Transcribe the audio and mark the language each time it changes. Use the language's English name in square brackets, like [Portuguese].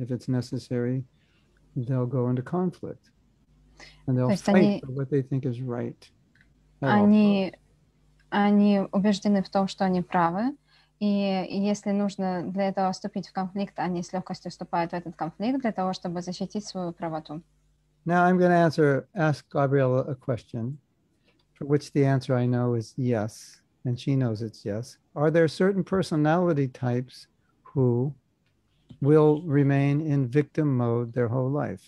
[English] If it's necessary, they'll go into conflict. And they'll fight for what they think is right. [Russian] Они убеждены в том, что они правы. И если нужно для этого вступить в конфликт, они с легкостью вступают в этот конфликт для того, чтобы защитить свою правоту. [English] Now I'm going to ask Gabrielle a question, for which the answer I know is yes, and she knows it's yes. Are there certain personality types who will remain in victim mode their whole life?